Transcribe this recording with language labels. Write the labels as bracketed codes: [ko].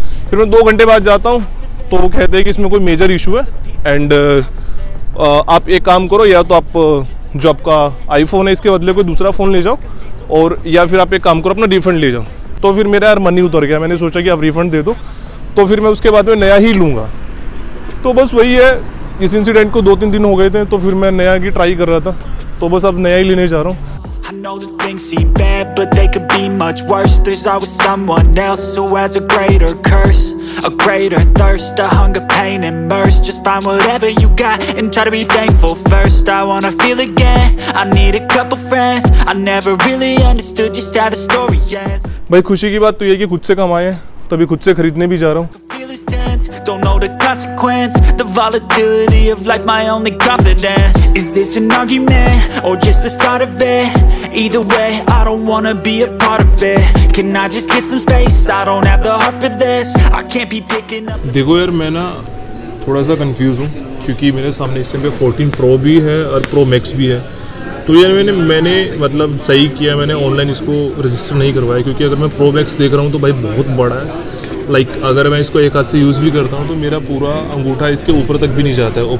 [hi] फिर मैं 2 घंटे बाद जाता हूँ तो वो कहते हैं कि इसमें कोई मेजर इशू है एंड आप एक काम करो, या तो आप जो आपका आईफोन है इसके बदले कोई दूसरा फ़ोन ले जाओ, और या फिर आप एक काम करो अपना रिफंड ले जाओ. तो फिर मेरा यार मन ही उतर गया, मैंने सोचा कि आप रिफंड दे दो तो फिर मैं उसके बाद में नया ही लूँगा. तो बस वही है, इस इंसिडेंट को 2-3 दिन हो गए थे, तो फिर मैं नया की ट्राई कर रहा था, तो बस अब नया ही लेने जा रहा हूँ. [en] I know that things seem bad, but they could be much worse. There's always someone else who has a greater curse, a greater thirst, a hunger, pain, and mercy. Just find whatever you got and try to be thankful first. I wanna feel again, I need a couple friends. I never really understood just how the story ends. [hi] भाई खुशी की बात तो ये कि खुद से कमाए हैं, तभी खुद से खरीदने भी जा रहा हूँ. [en] Don't know the consequence, the volatility of life, my only confidence. Is this an argument or just the start of it? Either way, I don't wanna be a part of it. Can I just get some space? I don't have the heart for this. I can't be picking up. [hi] देखो यार, मैं ना थोड़ा सा confused हूँ क्योंकि मेरे सामने इस टाइम पे 14 Pro भी है और Pro Max भी है. तो यार मैंने मतलब सही किया, मैंने ऑनलाइन इसको रजिस्टर नहीं करवाया, क्योंकि अगर मैं प्रो मैक्स देख रहा हूँ तो भाई बहुत बड़ा है. लाइक अगर मैं इसको एक हाथ से यूज़ भी करता हूँ तो मेरा पूरा अंगूठा इसके ऊपर तक भी नहीं जाता है.